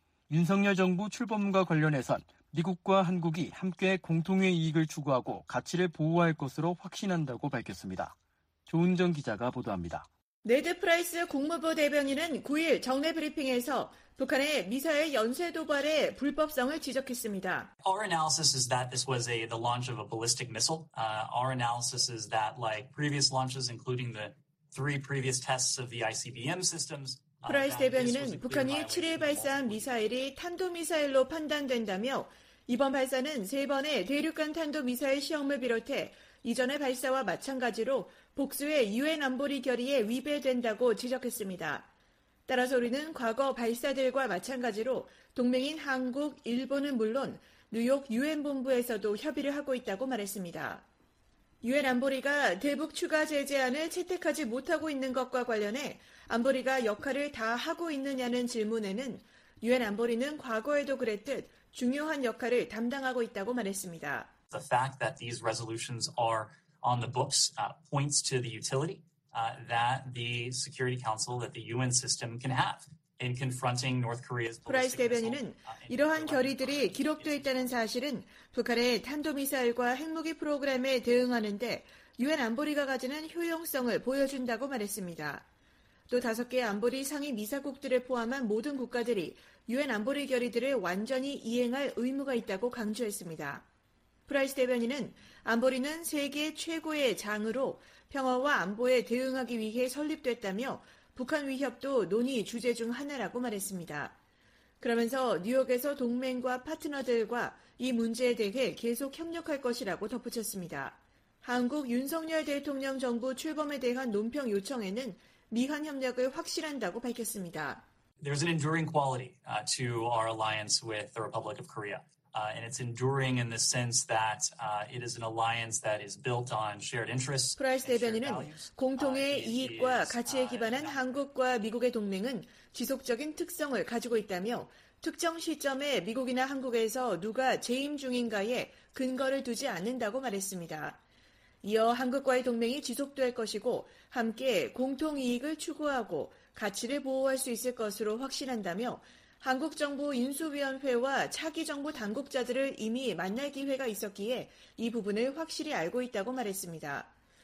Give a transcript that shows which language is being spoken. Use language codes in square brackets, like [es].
[ko] 윤석열 정부 출범과 관련해선 미국과 한국이 함께 공통의 이익을 추구하고 가치를 보호할 것으로 확신한다고 밝혔습니다. 조은정 기자가 보도합니다. 네드 프라이스 국무부 대변인은 9일 정례 브리핑에서 북한의 미사일 연쇄 도발의 불법성을 지적했습니다. [en] Our analysis is that this was the launch of a ballistic missile. Our analysis is that like previous launches including the three previous tests of the ICBM systems. [ko] 프라이스 대변인은 북한이 7일 발사한 미사일이 탄도미사일로 판단된다며 이번 발사는 세 번의 대륙간 탄도미사일 시험을 비롯해 이전의 발사와 마찬가지로 복수의 유엔 안보리 결의에 위배된다고 지적했습니다. 따라서 우리는 과거 발사들과 마찬가지로 동맹인 한국, 일본은 물론 뉴욕 유엔 본부에서도 협의를 하고 있다고 말했습니다. 유엔 안보리가 대북 추가 제재안을 채택하지 못하고 있는 것과 관련해 안보리가 역할을 다 하고 있느냐는 질문에는 유엔 안보리는 과거에도 그랬듯 중요한 역할을 담당하고 있다고 말했습니다. [en] The fact that these resolutions are on the books points to the utility that the Security Council, that the UN system can have in confronting North Korea's. [ko] 프라이스 대변인은 이러한 결의들이 기록되어 있다는 사실은 북한의 탄도미사일과 핵무기 프로그램에 대응하는 데 유엔 안보리가 가지는 효용성을 보여준다고 말했습니다. 또 다섯 개 안보리 상위 미사국들을 포함한 모든 국가들이 유엔 안보리 결의들을 완전히 이행할 의무가 있다고 강조했습니다. 프라이스 대변인은 안보리는 세계 최고의 장으로 평화와 안보에 대응하기 위해 설립됐다며 북한 위협도 논의 주제 중 하나라고 말했습니다. 그러면서 뉴욕에서 동맹과 파트너들과 이 문제에 대해 계속 협력할 것이라고 덧붙였습니다. 한국 윤석열 대통령 정부 출범에 대한 논평 요청에는 미한 협력을 확실한다고 밝혔습니다. [en] There's an enduring quality to our alliance with the Republic of Korea. And it's enduring in the sense that it is an alliance that is built on shared interests. [ko] 프라이스 대변인은 공통의 이익과 가치에 기반한 한국과 미국의 동맹은 지속적인 특성을 가지고 있다며 특정 시점에 미국이나 한국에서 누가 재임 중인가에 근거를 두지 않는다고 말했습니다. 이어 한국과의 동맹이 지속될 것이고 함께 공통 이익을 추구하고 가치를 보호할 수 있을 것으로 확신한다며 한국 정부 인수위원회와 차기 정부 당국자들을 이미 만날 기회가 있었기에 이 부분을 확실히 알고 있다고 말했습니다.